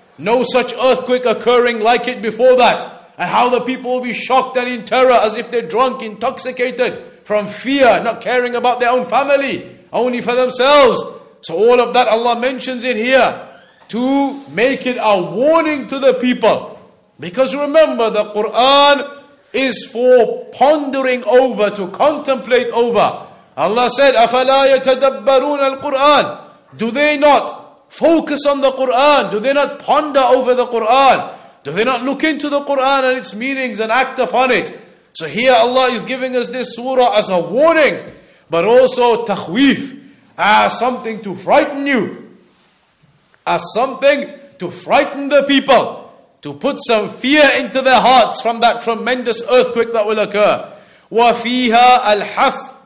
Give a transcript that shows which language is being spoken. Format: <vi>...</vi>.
<en>No such earthquake occurring like it before that. And how the people will be shocked and in terror, as if they're drunk, intoxicated from fear, not caring about their own family, only for themselves. So all of that Allah mentions in here to make it a warning to the people. Because remember, the Quran is for pondering over, to contemplate over. Allah said,</en> <ar>أَفَلَا يَتَدَبَّرُونَ الْقُرْآنَ.</ar> <en>Do they not focus on the Quran? Do they not ponder over the Quran? Do they not look into the Quran and its meanings and act upon it? So here Allah is giving us this surah as a warning, but also takhweef, as something to frighten you, as something to frighten the people, to put some fear into their hearts from that tremendous earthquake that will occur.</en> <ar>وَفِيهَا الْحَثُ</ar>